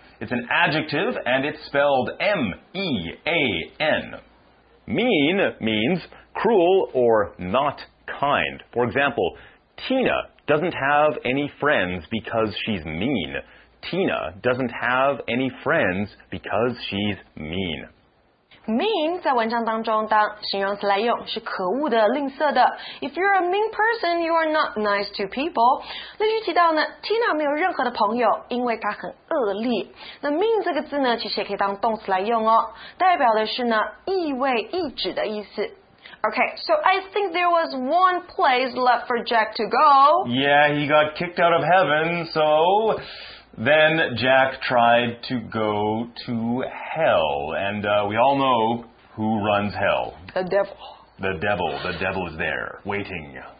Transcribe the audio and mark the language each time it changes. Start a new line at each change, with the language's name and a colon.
English: It's an adjective and it's spelled M-E-A-N. Mean means cruel or not kind. For example, Tina doesn't have any friends because she's mean. Tina doesn't have any friends because she's mean.
Chinese: Mean 在文章当中当形容词来用是可恶的吝啬的。
English: If you're a mean person, you are not nice to people.
Chinese: 例句提到呢 ,Tina 没有任何的朋友因为她很恶劣。那 mean 这个字呢其实也可以当动词来用哦代表的是呢意味意指的意思。
English: Okay, so I think there was one place left for Jack to go. Yeah, he got kicked out of heaven, so... Then Jack tried to go to hell, and we all know who runs hell. The devil. The devil. The devil is there, waiting.